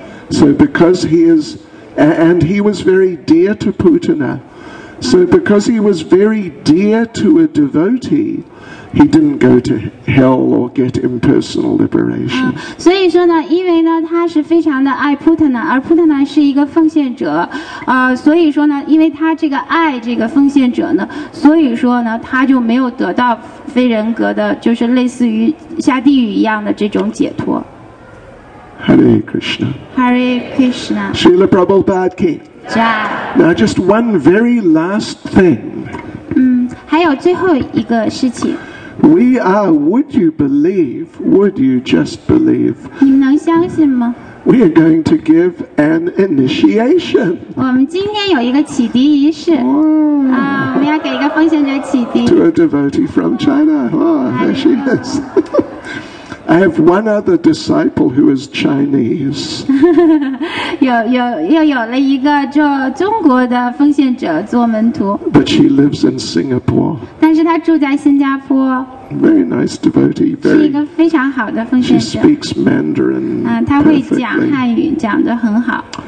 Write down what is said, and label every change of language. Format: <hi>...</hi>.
<en>So because he is, and he was very dear to Putana. So because he was very dear to a devotee. He didn't go to hell or get impersonal liberation.</en> <zh>所以说呢，因为呢，他是非常的爱 Putana， 而 Putana 是一个奉献者，所以说呢，因为他这个爱这个奉献者呢，所以说呢，他就没有得到非人格的，就是类似于下地狱一样的这种解脱。</zh> <sa>Hare Krishna. Hare Krishna.</sa> <hi>Srila Prabhupada ki. Jai.</hi> <en>Now, just one very last thing.</en> <zh>还有最后一个事情。</zh> <en>We are, would you believe, would you just believe?</en> <zh>你们能相信吗？</zh> <en>We are going to give an initiation.</en> <zh>我们今天有一个启迪仪式。我们要给一个奉献者启迪。</zh> <en>To a devotee from China. Oh, there she is. I have one other disciple who is Chinese.</en> <zh>又有了一个做中国的奉献者做门徒。</zh> <en>But she lives in Singapore.</en> <zh>但是她住在新加坡。</zh> <en>Very nice devotee.</en> <zh>Very, 是一个非常好的奉献者。</zh> <en>She speaks Mandarin.</en> <zh>她会讲汉语，讲得很好。</zh>